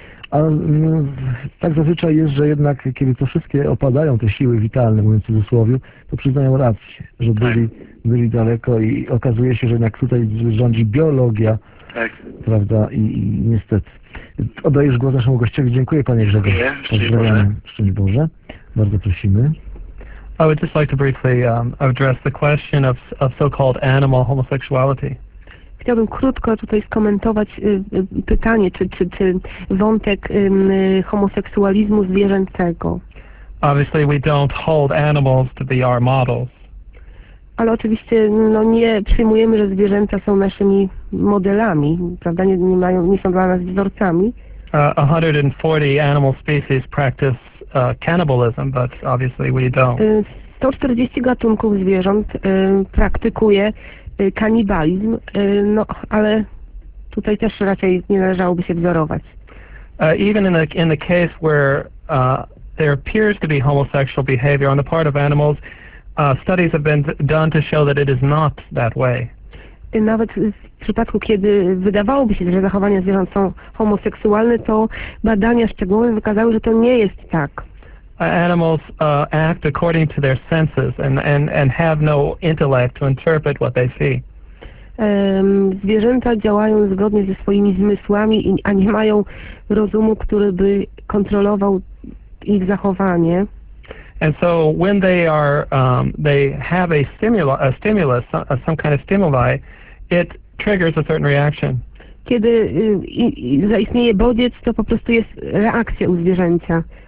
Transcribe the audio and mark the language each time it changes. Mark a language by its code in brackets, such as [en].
[pl] A no, tak zazwyczaj jest, że jednak kiedy to wszystkie opadają, te siły witalne, mówiąc w cudzysłowie, to przyznają rację, że byli daleko i okazuje się, że jednak tutaj rządzi biologia, prawda, i niestety. Oddajesz głos naszemu gościowi. Dziękuję, panie Grzegorzu. Pozdrawiam. Szczęść Boże. Bardzo prosimy. [en] I would just like to briefly address the question of so-called animal homosexuality. [pl] Chciałbym krótko tutaj skomentować pytanie, czy wątek homoseksualizmu zwierzęcego. [en] Obviously we don't hold animals to be our models. [pl] Ale oczywiście no, nie przyjmujemy, że zwierzęta są naszymi modelami, prawda? Nie są dla nas wzorcami. [en] 140 animal species practice cannibalism, but obviously we don't. [pl] 140 gatunków zwierząt praktykuje kanibalizm, no, ale tutaj też raczej nie należałoby się wzorować. [en] Even in the case where there appears to be homosexual behavior on the part of animals, studies have been done to show that it is not that way. [pl] Nawet w przypadku, kiedy wydawałoby się, że zachowania zwierząt są homoseksualne, to badania szczegółowe wykazały, że to nie jest tak. [en] Animals act according to their senses and have no intellect to interpret what they see. [pl] Zwierzęta działają zgodnie ze swoimi zmysłami, a nie mają rozumu, który by kontrolował ich zachowanie. [en] And so when they are they have a stimulus, some kind of stimuli, it triggers a certain reaction. [pl] Kiedy zaistnieje bodziec, to po prostu jest reakcja u zwierzęcia.